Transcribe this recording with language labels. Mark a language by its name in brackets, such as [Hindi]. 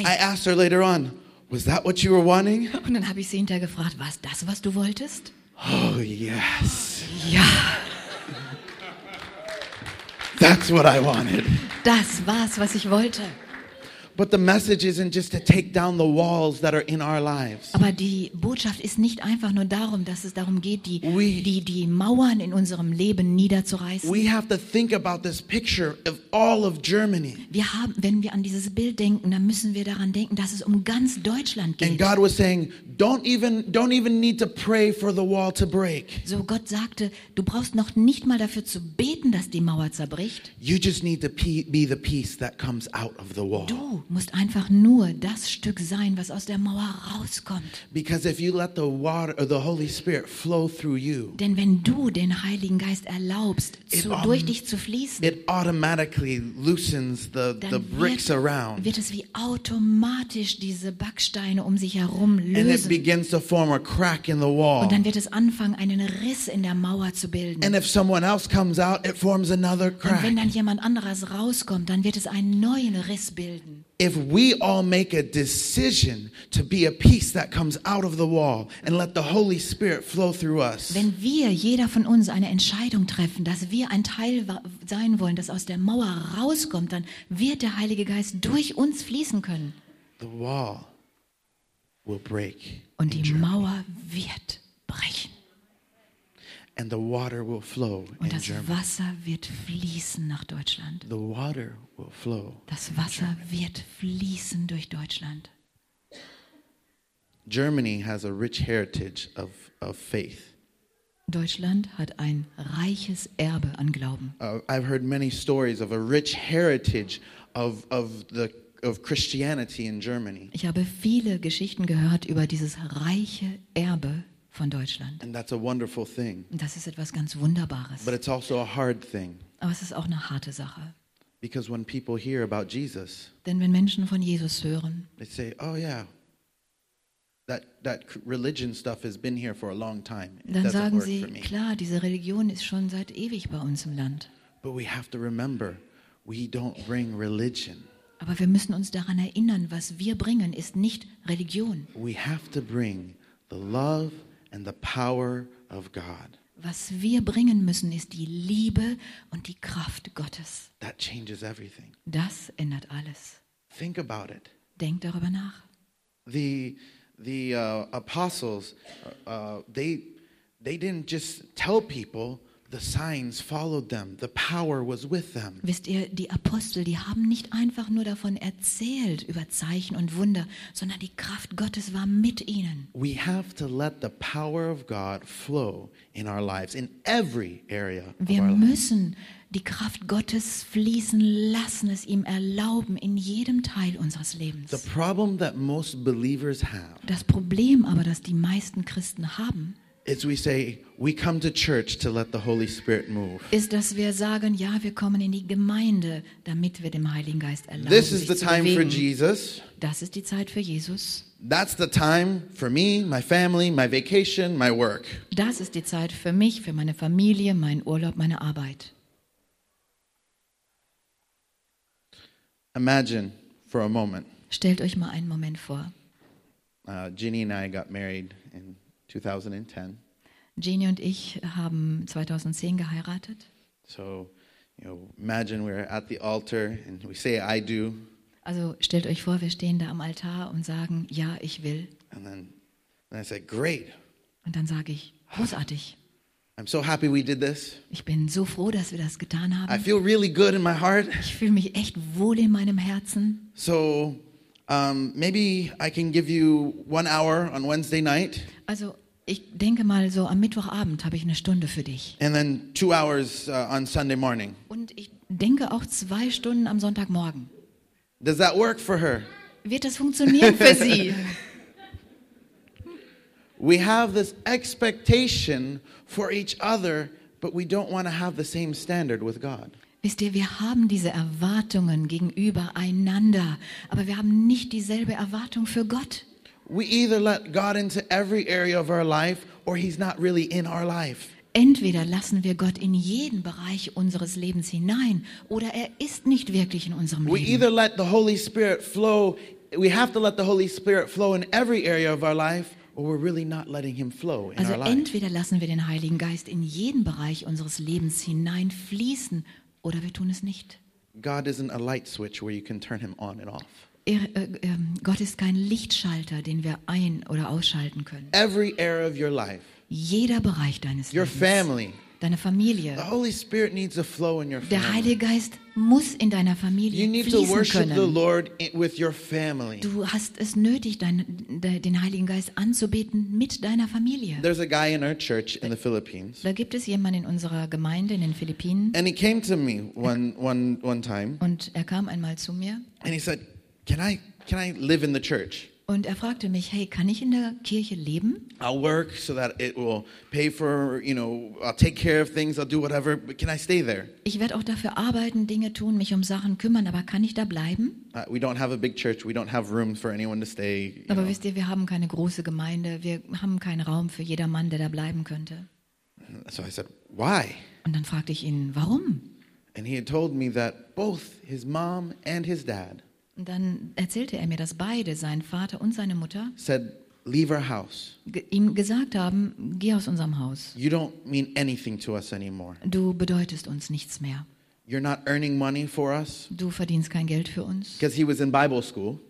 [English] I asked her later on, was that what you were wanting? [German] Und dann habe ich sie hinterher gefragt, war es das, was du wolltest? [English] Oh, yes. [German] Ja. [English] That's what I wanted. [German] Das war's, was ich wollte. [English] But the message isn't just to take down the walls that are in our lives. [German] Aber die Botschaft ist nicht einfach nur darum, dass es darum geht, die Mauern in unserem Leben niederzureißen. [English] We have to think about this picture of all of Germany. [German] Wir haben, wenn wir an dieses Bild denken, dann müssen wir daran denken, dass es um ganz Deutschland geht. [English] And God was saying, don't even need to pray for the wall to break. [German] So Gott sagte, du brauchst noch nicht mal dafür zu beten, dass die Mauer zerbricht. [English] You just need to be the piece that comes out of the wall. [German] Du musst einfach nur das Stück sein, was aus der Mauer rauskommt. [English] Because if you let the water or the Holy Spirit flow through you, [German] denn wenn du den Heiligen Geist erlaubst, durch dich zu fließen, [English] it automatically loosens the bricks around. [German] Wird es wie automatisch diese Backsteine um sich herum lösen. [English] And it begins to form a crack in the wall. [German] Und dann wird es anfangen, einen Riss in der Mauer zu bilden. [English] And if someone else comes out, it forms another crack. [German] Und wenn dann jemand anderes rauskommt, dann wird es einen neuen Riss bilden. [English] If we all make a decision to be a piece that comes out of the wall and let the Holy Spirit flow through us. [German] Wenn wir jeder von uns eine Entscheidung treffen, dass wir ein Teil sein wollen, das aus der Mauer rauskommt, dann wird der Heilige Geist durch uns fließen können. [English] The wall will break. [German] Und die Mauer wird brechen. [English] And the water will flow in Germany. [German] Und das Wasser wird fließen nach Deutschland. [English] The water will flow. [German] Das Wasser wird fließen durch Deutschland. [English] Germany has a rich heritage of faith. [German] Deutschland hat ein reiches Erbe an Glauben. [English] I've heard many stories of a rich heritage of Christianity in Germany. [German] Ich habe viele Geschichten gehört über dieses reiche Erbe von Deutschland. [English] And that's a wonderful thing. [German] Das ist etwas ganz Wunderbares. [English] But it's also a hard thing. [German] Aber es ist auch eine harte Sache. [English] Because when people hear about Jesus, [German] denn wenn Menschen von Jesus hören, [English] they say, "Oh yeah, that religion stuff has been here for a long time." [German] Dann sagen sie, klar, diese Religion ist schon seit ewig bei uns im Land. [English] But we have to remember, we don't bring religion. [German] Aber wir müssen uns daran erinnern, was wir bringen, ist nicht Religion. [English] We have to bring the love and the power of God. [German] Was wir bringen müssen, ist die Liebe und die Kraft Gottes. [English] That changes everything. [German] Das ändert alles. [English] Think about it. [German] Denk darüber nach. [English] The apostles, they didn't just tell people. The signs followed them. The power was with them. [German] Wisst ihr, die Apostel, die haben nicht einfach nur davon erzählt über Zeichen und Wunder, sondern die Kraft Gottes war mit ihnen. [English] We have to let the power of God flow in our lives, in every area of our lives. [German] Wir müssen die Kraft Gottes fließen lassen, es ihm erlauben in jedem Teil unseres Lebens. [English] The problem that most believers have. [German] Das Problem aber, das die meisten Christen haben. [English] As we say, we come to church to let the Holy Spirit move. [German] Ist, dass wir sagen, ja, wir kommen in die Gemeinde, damit wir dem Heiligen Geist erlauben. [English] This is the time for Jesus. [German] Das ist die Zeit für Jesus. [English] That's the time for me, my family, my vacation, my work. [German] Das ist die Zeit für mich, für meine Familie, meinen Urlaub, meine Arbeit. [English] Imagine for a moment. [German] Stellt euch mal einen Moment vor. [English] Ginny and I got married in 2010. [German] Jeannie und ich haben 2010 geheiratet. [English] So, you know, imagine we're at the altar and we say I do. [German] Also stellt euch vor, wir stehen da am Altar und sagen, ja, ich will. [English] And then I say great. [German] Und dann sage ich, großartig. [English] I'm so happy we did this. [German] Ich bin so froh, dass wir das getan haben. [English] I feel really good in my heart. [German] Ich fühle mich echt wohl in meinem Herzen. [English] So maybe I can give you 1 hour on Wednesday night. [German] Also, ich denke mal, so am Mittwochabend habe ich eine Stunde für dich. [English] And then 2 hours on Sunday morning. [German] Und ich denke auch 2 Stunden am Sonntagmorgen. [English] Does that work for her? [German] Wird das funktionieren für sie? [English] We have this expectation for each other, but we don't want to have the same standard with God. [German] Wisst ihr, wir haben diese Erwartungen gegenüber einander, aber wir haben nicht dieselbe Erwartung für Gott. [English] We either let God into every area of our life or he's not really in our life. [German] Entweder lassen wir Gott in jeden Bereich unseres Lebens hinein oder er ist nicht wirklich in unserem Leben. [English] We either let the Holy Spirit flow, we have to let the Holy Spirit flow in every area of our life. Or we're really not letting him flow in [German] also [English] our life. [German] Entweder lassen wir den Heiligen Geist in jeden Bereich unseres Lebens hineinfließen oder wir tun es nicht. [English] God isn't a light switch where you can turn him on and off. [German] Gott ist kein Lichtschalter, den wir ein- oder ausschalten können. [English] Every area of your life. [German] Jeder Bereich deines [English] your [German] Lebens. [English] Family. [German] Deine Familie. [English] The Holy Spirit needs to flow in your family. [German] Der Heilige Geist muss in deiner Familie [English] you need [German] fließen [English] to worship [German] können. [English] The Lord with your family. [German] Du hast es nötig, den Heiligen Geist anzubeten mit deiner Familie. [English] There's a guy in our church in the Philippines. [German] Da gibt es jemanden in unserer Gemeinde in den Philippinen. [English] And he came to me one time. [German] Und er kam einmal zu mir. [English] And he said, can I live in the church? [German] Und er fragte mich, hey, kann ich in der Kirche leben? [English] I'll work so that it will pay for, you know, I'll take care of things, I'll do whatever, but can I stay there? [German] Ich werde auch dafür arbeiten, Dinge tun, mich um Sachen kümmern, aber kann ich da bleiben? [English] We don't have a big church, we don't have room for anyone to stay. [German] Aber wisst ihr, wir haben keine große Gemeinde, wir haben keinen Raum für jedermann, der da bleiben könnte. [English] So I said, why? [German] Und dann fragte ich ihn, warum? [English] And he had told me that both his mom and his dad. [German] Und dann erzählte er mir, dass beide, sein Vater und seine Mutter, [English] said, leave our house. [German] Ihm gesagt haben, geh aus unserem Haus. [English] You don't mean anything to us anymore. [German] Du bedeutest uns nichts mehr. [English] You're not earning money for us. [German] Du verdienst kein Geld für uns. [English] 'Cause he was in Bible school.